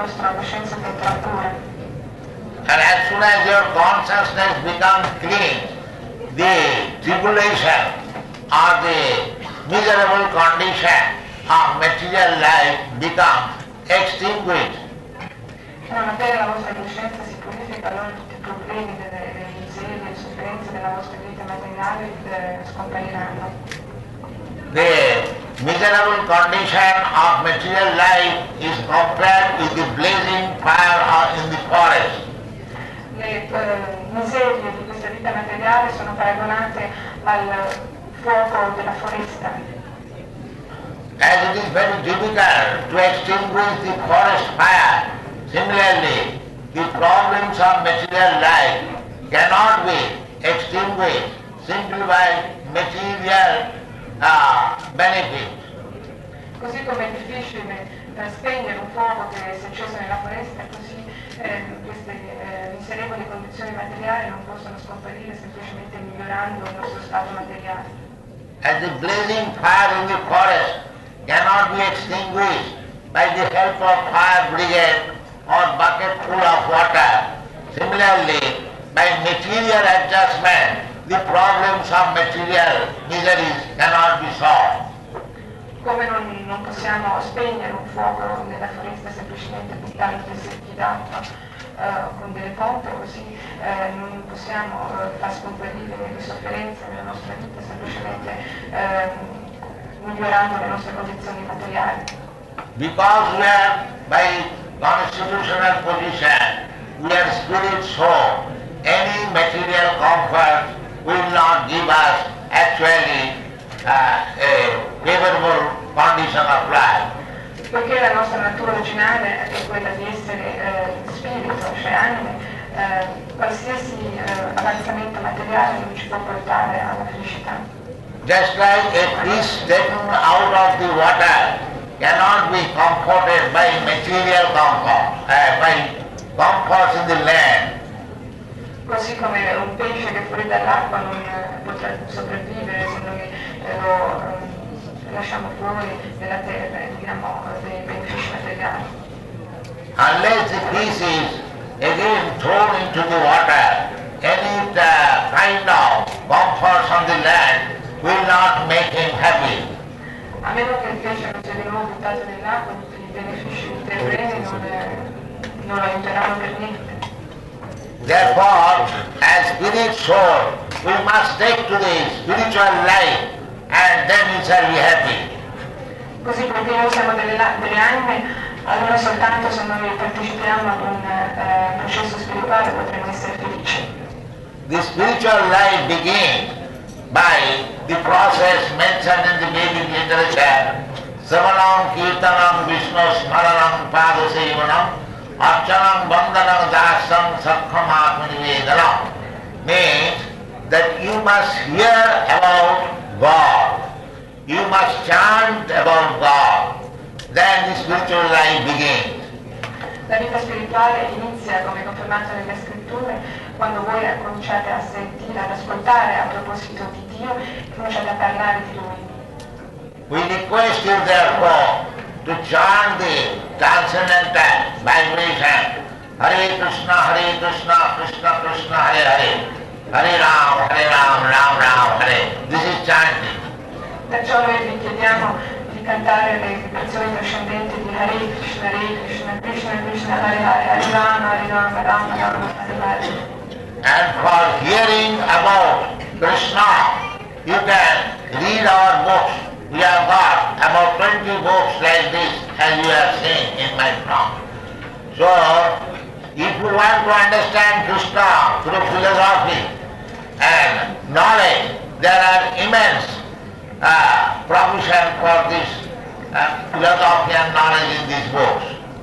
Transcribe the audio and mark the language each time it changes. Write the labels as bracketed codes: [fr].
[en] And as soon as your consciousness becomes clean, the tribulation or the miserable condition of material life becomes extinguished. [it] Non appena la vostra coscienza si purifica, allora tutti i problemi, le miserie, le sofferenze della vostra vita materiale scompariranno. [en] The miserable condition of material life is compared with the blazing fire in the forest. [it] Le miserie di questa vita materiale sono paragonate al fuoco della foresta. [en] As it is very difficult to extinguish the forest fire, similarly, the problems of material life cannot be extinguished simply by material benefits. [it] Così come è difficile spegnere un fuoco che si è acceso nella foresta, così queste miserevoli condizioni materiali non possono scomparire semplicemente migliorando il nostro stato materiale. [en] As the blazing fire in the forest cannot be extinguished by the help of fire brigade or bucket full of water. Similarly, by material adjustment, the problems of material miseries cannot be solved. [it] Come non possiamo spegnere un fuoco nella foresta semplicemente buttando dei secchi d'acqua con delle pompe, così non possiamo far scomparire le sofferenze nella nostra vita semplicemente migliorando le nostre condizioni materiali. [en] Because we are by constitutional position, we are spirit soul. Any material comfort will not give us actually a favorable condition of life. [it] Perché la nostra natura originale è quella di essere spirito, cioè anime, qualsiasi avanzamento materiale non ci può portare alla felicità. [en] Just like a fish taken out of the water cannot be comforted by material comfort, by comforts in the land. [it] Così come un pesce che fuori dall'acqua non potrà sopravvivere se noi lo lasciamo fuori della terra, diciamo, dei benefici materiali. [en] Unless the fish is again thrown into the water, any kind of comforts on the land will not make him happy. [it] A meno che il pesce non sia di nuovo buttato nell'acqua, tutti i benefici del terreno non lo aiuteranno per niente. [en] Therefore, as spirit soul, we must take to the spiritual life and then we shall be happy. [it] Così perché noi siamo delle anime, allora soltanto se noi partecipiamo ad un processo spirituale potremo essere felici. [en] The spiritual life begins by the process mentioned in the Vedic literature, [sa] Samanam Kirtanam Vishnu Smaranam Padasevanam Archanam Vandanam Dasam Sakham Atmanivedanam [en] means that you must hear about God. You must chant about God. Then the spiritual life begins. [it] La vita spirituale inizia, come confermato nelle scritture, quando voi cominciate a sentire, ad ascoltare a proposito di Dio, cominciate a parlare di Lui. [en] We request you therefore to chant the transcendental vibration. [sa] Hare Krishna, Hare Krishna, Krishna Krishna, Hare Hare. Hare Rama, Rama Rama, Hare. [en] This is chanting. [it] Perciò noi vi chiediamo di cantare le vibrazioni trascendenti di Hare Krishna, Hare Krishna, Krishna Krishna, Hare Hare, Hare Rama, Hare Rama, Rama Rama, Hare Hare. [en] And for hearing about Krishna, you can read our books. We have got about 20 books like this, as you have seen in my talk. So, if you want to understand Krishna through philosophy and knowledge, there are immense provision for this philosophy and knowledge in these books.